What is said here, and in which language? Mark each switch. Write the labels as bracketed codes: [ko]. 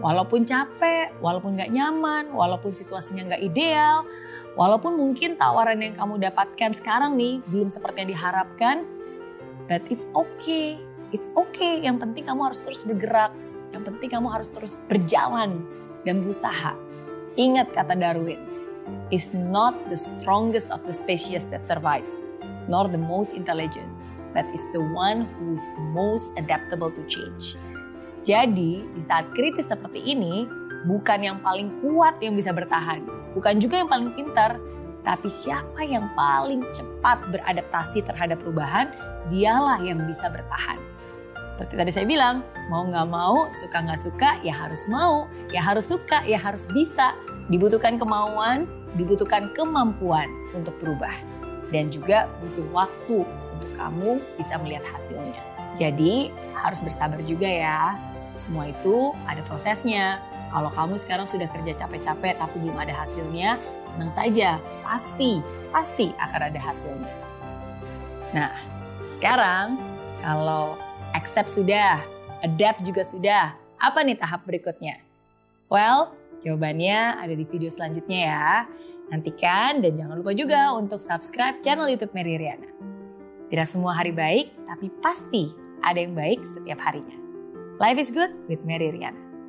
[id] Walaupun capek, walaupun nggak nyaman, walaupun situasinya nggak ideal. Walaupun mungkin tawaran yang kamu dapatkan sekarang nih belum seperti yang diharapkan. [en] But it's okay. It's okay. [id] Yang penting kamu harus terus bergerak. Yang penting kamu harus terus berjalan dan berusaha. Ingat kata Darwin, [en] it's not the strongest of the species that survives, nor the most intelligent, but it's the one who is the most adaptable to change. [id] Jadi, di saat kritis seperti ini, bukan yang paling kuat yang bisa bertahan, bukan juga yang paling pintar, Tapi siapa yang paling cepat beradaptasi terhadap perubahan, dialah yang bisa bertahan. Seperti tadi saya bilang, mau gak mau, suka gak suka, ya harus mau, ya harus suka, ya harus bisa. Dibutuhkan kemauan, dibutuhkan kemampuan untuk berubah. Dan juga butuh waktu untuk kamu bisa melihat hasilnya. Jadi harus bersabar juga ya, semua itu ada prosesnya. Kalau kamu sekarang sudah kerja capek-capek tapi belum ada hasilnya, tenang saja, pasti akan ada hasilnya. Nah, sekarang kalau accept sudah, adapt juga sudah, apa nih tahap berikutnya? Well, jawabannya ada di video selanjutnya ya. Nantikan dan jangan lupa juga untuk subscribe channel YouTube Mary Riana. Tidak semua hari baik, tapi pasti ada yang baik setiap harinya. [en] Life is good with Mary Riana.